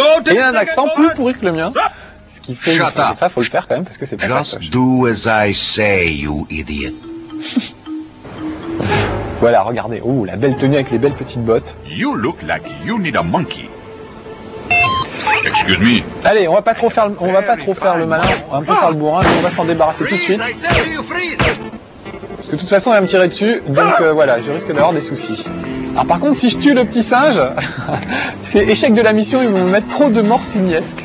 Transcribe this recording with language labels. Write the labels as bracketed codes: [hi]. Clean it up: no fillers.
[fr] Et un accent plus pourri que le mien. Ce qui fait que ça, faut le faire quand même, parce que c'est pas facile. [en] Just do as I say, you idiot. [fr] Voilà, regardez. Ouh, la belle tenue avec les belles petites bottes. [en] You look like you need a monkey. Excuse me. [fr] Allez, on va pas trop faire le malin, on va un peu faire le bourrin, on va s'en débarrasser [en] freeze, [fr] tout de suite. [en] I you freeze. [fr] Parce que de toute façon, elle va me tirer dessus, donc voilà, je risque d'avoir des soucis. Alors par contre, si je tue le petit singe, c'est échec de la mission, ils vont me mettre trop de morts simiesques.